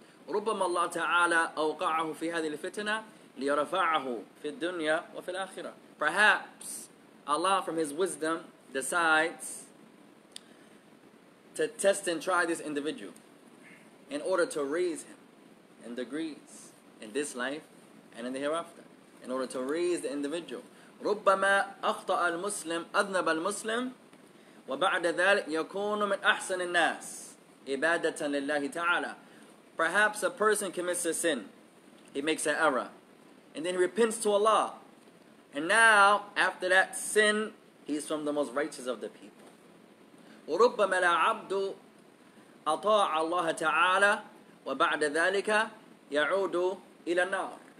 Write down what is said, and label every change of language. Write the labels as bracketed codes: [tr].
[ar] رُبَّمَ اللَّهُ تَعَالَى أَوْقَعَهُ فِي هَذِي الْفِتْنَةِ لِيَرَفَعَهُ فِي الدُّنْيَا وَفِي الْآخِرَةِ. [en] Perhaps Allah from his wisdom decides to test and try this individual in order to raise him in degrees in this life and in the hereafter. In order to raise the individual. [ar] رُبَّمَا أَخْطَأَ الْمُسْلِمْ أَذْنَبَ الْمُسْلِمْ وبعد ذلك يكون من أحسن الناس عبادة لله تعالى. [en] Perhaps a person commits a sin, he makes an error, and then he repents to Allah. And now, after that sin, he's from the most righteous of the people. [ar] وربما العبد أطاع الله تعالى وبعد ذلك يعود إلى النار.